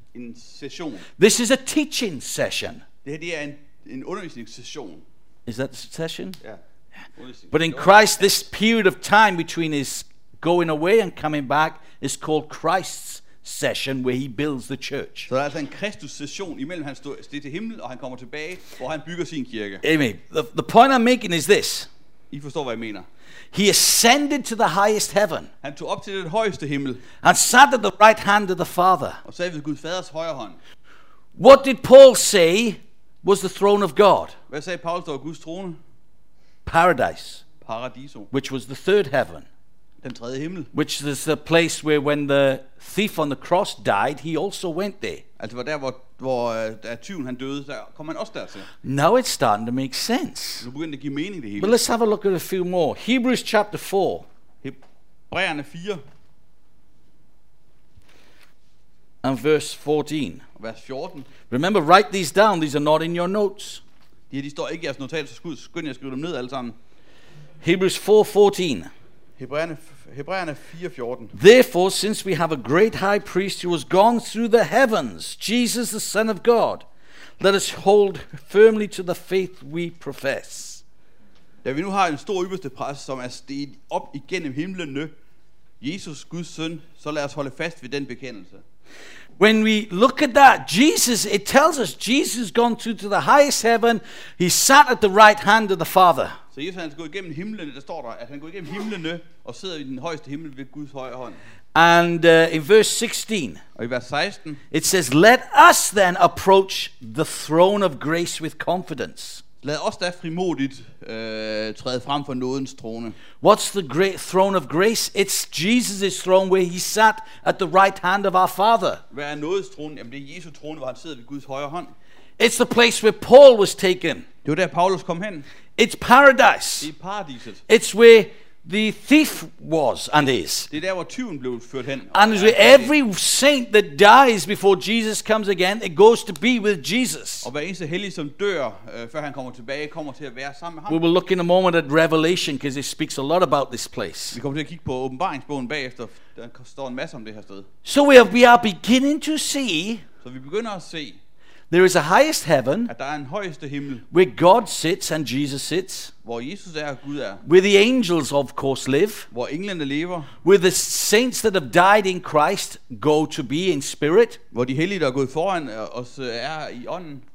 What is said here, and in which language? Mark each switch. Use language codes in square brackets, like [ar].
[da] En session. [en] This is a teaching session. [da] Det er en undervisningssession. [en] Is that a session? Yeah. But in Christ, this period of time between his going away and coming back is called Christ's session, where he builds the church. [da] Så der er en Kristus session imellem han står sted til himmel og han kommer tilbage, hvor han bygger sin kirke. [en] Amen. The point I'm making is this. [da] I forstår hvad jeg mener. [en] He ascended to the highest heaven. [da] Han tog op til den højeste himmel. [en] And sat at the right hand of the Father. [da] Og sad ved Guds faders højre hånd. [en] What did Paul say was the throne of God? [da] Hvad sagde Paulus der var Guds trone? [en] Paradise. [da] Paradiso. [en] Which was the third heaven. [da] Den tredje himmel. [en] Which is the place where when the thief on the cross died, he also went there. [da] Altså var der hvor der tyven han døde, der kom han også dertil. [en] Now it's starting to make sense. [da] Nu begynder det at give mening det hele. [en] But let's have a look at a few more. Hebrews chapter 4. [da] Hebræerne 4. [en] And verse 14. [da] Vers 14. [en] Remember, write these down. These are not in your notes. [da] De står ikke i jeres notat, så skynd jer at skrive dem ned alle sammen. [en] Hebrews 4:14. [da] Hebræerne 4:14. [en] Therefore, since we have a great high priest who has gone through the heavens, Jesus the Son of God, let us hold firmly to the faith we profess. [da] Da vi nu har en stor ypperste præst, som er steget op igennem himlene, Jesus Guds søn, så lad os holde fast ved den bekendelse. [en] When we look at that, Jesus, it tells us Jesus has gone to the highest heaven. He sat at the right hand of the Father. [da] Så Jesus han går igennem himlene, der står der, at han går igennem himlene og sidder i den højeste himmel ved Guds højre hånd. [en] And in verse 16, [da] og i vers 16, [en] it says, let us then approach the throne of grace with confidence. [da] Lad os da frimodigt træde frem for nådens trone. [en] What's the great throne of grace? It's Jesus' throne where he sat at the right hand of our Father. [da] Hvad er nådens trone? Jamen det er Jesu trone, hvor han sidder ved Guds højre hånd. [en] It's the place where Paul was taken. [da] Det var der Paulus kom hen. [en] It's paradise. [da] Det er paradiset. [en] It's where the thief was and is. [da] Det er der hvor tyven blev ført hen. [en] And it's where every saint that dies before Jesus comes again, it goes to be with Jesus. [da] Og hver eneste hellige som dør før han kommer tilbage, kommer til at være sammen med ham. [en] We will look in a moment at Revelation because it speaks a lot about this place. [da] Vi kommer til at kigge på Åbenbaringsbogen bagefter, der står en masse om det her sted. [en] So we are beginning to see. [da] Så vi begynder at se. [en] There is a highest heaven, [da] at der er en højeste himmel, [en] where God sits and Jesus sits, [da] hvor Jesus er og Gud er, [en] where the angels of course live, [da] hvor englene lever, [en] where the saints that have died in Christ go to be in spirit, [da] hvor de hellige der er gået foran os er i ånden.